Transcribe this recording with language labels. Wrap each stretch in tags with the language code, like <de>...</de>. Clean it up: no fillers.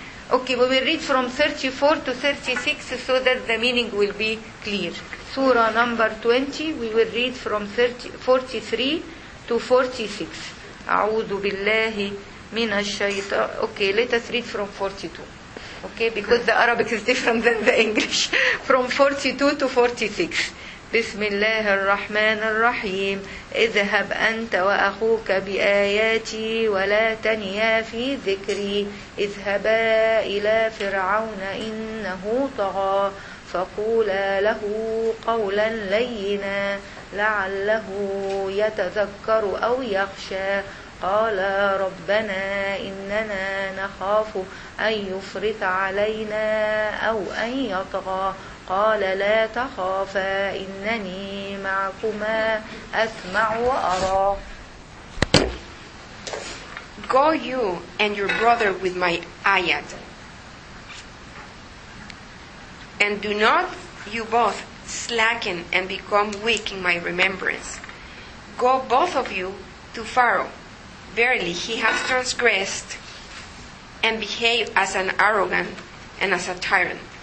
<en>Okay, we will read from 34 to 36 so that the meaning will be clear. Surah number 20, we will read from 43 to 46.</en> <ar>أعوذ بالله من الشيطان.</ar> <en>Okay, let us read from 42. Okay, because the Arabic is different than the English. From 42 to 46.</en> <ar>بسم الله الرحمن الرحيم اذهب أنت وأخوك بآياتي ولا تنيا في ذكري اذهبا إلى فرعون إنه طغى فقولا له قولا لينا لعله يتذكر أو يخشى قال ربنا إننا نخاف أن يفرط علينا أو أن يطغى قال لا تخافا إنني معكما أسمع وأرى.</ar> <en>Go you and your brother with my ayat, and do not you both slacken and become weak in my remembrance. Go both of you to Pharaoh. Verily, he has transgressed and behaved as an arrogant and as a tyrant.</en>